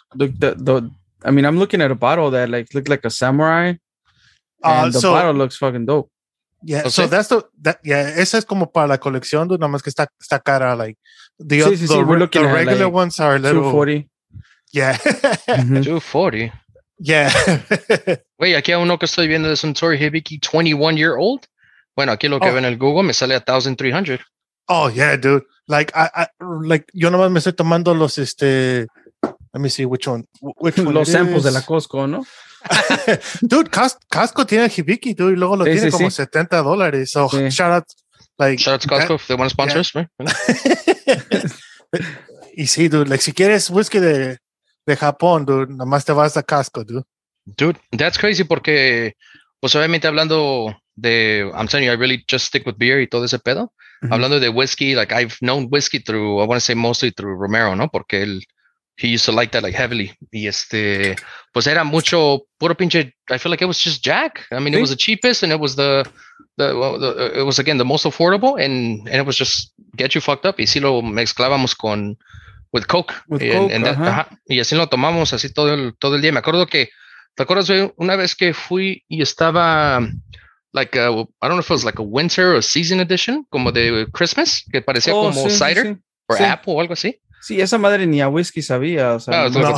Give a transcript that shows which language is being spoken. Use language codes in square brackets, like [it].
[en] The I mean, I'm looking at a bottle that like looked like a samurai. And the bottle looks fucking dope. Yeah, okay. So that's [es] esa es como para la colección, nada más que está cara, like the sí, sí, [en] the, [es] sí, [en] the at regular like ones are a little 240. Yeah. Mm-hmm. 240. Yeah. [es] Wait, aquí hay uno que estoy viendo de Suntory Hibiki, [en] 21 year old. [es] Bueno, aquí lo que ven en el Google me sale 1300. [en] Oh yeah, dude. Like I [es] yo nomás me estoy tomando los [en] let me see which one [es] los samples de la Costco, ¿no? Dude, Costco tiene Hibiki, dude, y luego lo tiene como $70. [en] So sí. shout out to Costco if they want to sponsor us. [es] Y sí, dude, like si quieres whisky de Japón, dude, nomás te vas a Costco, dude. [en] That's crazy [es] porque, pues obviamente hablando de, [en] I'm telling you, I really just stick with beer [es] y todo ese pedo. [en] Mm-hmm. [es] Hablando de whisky, [en] like I've known whisky through, I want to say mostly through Romero, ¿no? [es] Porque él [en] he used to like that like heavily. [es] Y pues era mucho puro pinche. [en] I feel like it was just Jack. I mean, sí. It was the cheapest and it was it was again the most affordable and it was just get you fucked up. [es] Y si lo mezclábamos [en] with Coke. [es] Y así lo tomamos así todo el día. Me acuerdo que, ¿te acuerdas de una vez que fui y estaba like, [en] I don't know if it was like a winter or season edition, [es] como de Christmas, que parecía [en] cider or apple [es] o algo así? Sí, esa madre ni a whisky sabía, o sea,